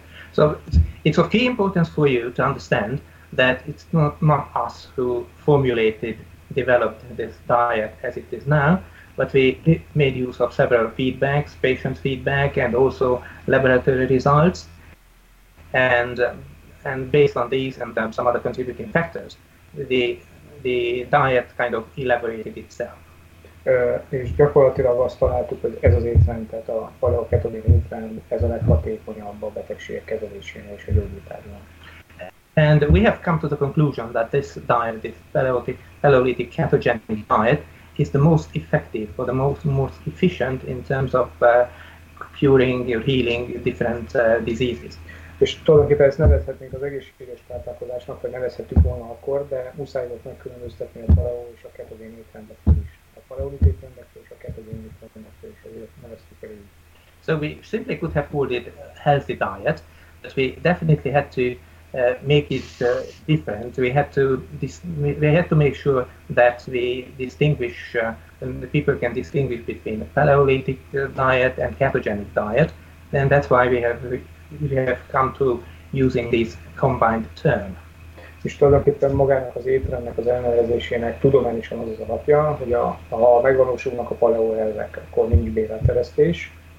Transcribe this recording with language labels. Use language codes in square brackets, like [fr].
[en] So it's of key importance for you to understand that it's not us who developed this diet as it is now, but we made use of several feedbacks, patient feedback, and also laboratory results. And based on these and some other contributing factors, the diet kind of elaborated itself. [hu] És gyakorlatilag azt találtuk, hogy ez az étrend, tehát a paleoketogén étrend, ez a leghatékonyabb a betegségek kezelésére és a gyógyításra. [en] And we have come to the conclusion that this diet, this paleolithic ketogenic diet, is the most effective or the most efficient in terms of curing or healing different diseases. [hu] És tulajdonképpen ezt nevezhetnénk az egészséges táplálkozásnak, vagy nevezhetjük volna akkor, de muszáj volt megkülönböztetni a paleo és a ketogén étrendektől is. A paleolitik étrendektől és a ketogén étrendektől is, ezért neveztük el így. [en] So we simply could have called it healthy diet, but we definitely had to make it different. We had to make sure that we distinguish, and the people can distinguish between a paleolitic diet and ketogenic diet, and that's why we have come to using this combined term. [hu] És tulajdonképpen magának az étrendnek az elnevezésének tudományosan az az alapja, hogy ha megvalósulnak a paleo elvek, akkor nincs béleteresztés.